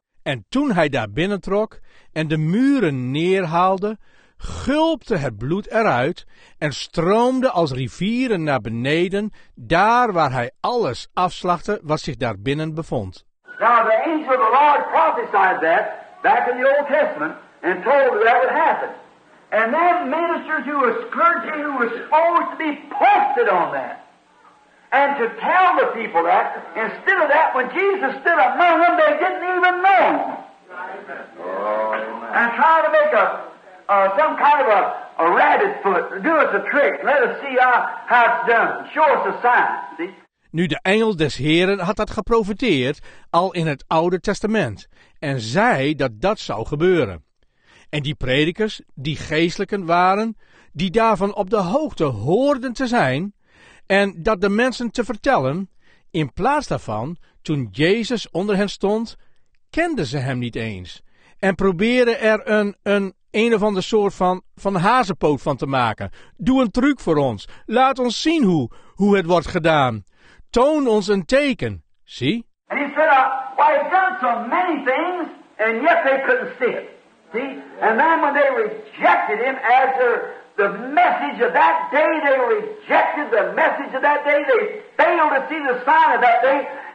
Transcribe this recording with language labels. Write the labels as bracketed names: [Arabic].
[Dutch] En toen hij daar binnentrok en de muren neerhaalde, gulpte het bloed eruit en stroomde als rivieren naar beneden, daar waar hij alles afslachtte wat zich daar binnen bevond. [English] Now the angel of the Lord prophesied that back in the Old Testament and told that would happen. And then ministers who were clergy who were supposed to be posted on that and to tell the people that, instead of that, when Jesus stood among them, they didn't even know. And try to make some kind of a rabbit foot, do us a trick, let us see how it's done, show us a sign, see? [Dutch] Nu, de engel des Heren had dat geprofeteerd al in het Oude Testament en zei dat dat zou gebeuren. En die predikers, die geestelijken waren, die daarvan op de hoogte hoorden te zijn en dat de mensen te vertellen, in plaats daarvan, toen Jezus onder hen stond, kenden ze hem niet eens en probeerden er een of andere soort van hazenpoot van te maken. Doe een truc voor ons. Laat ons zien hoe het wordt gedaan. Toon ons een teken. Zie? [English] And he said, I've done so many things, and yet they couldn't see it. See? And then when they rejected him as the message of that day, they rejected the message of that day. They failed to see the sign of that day.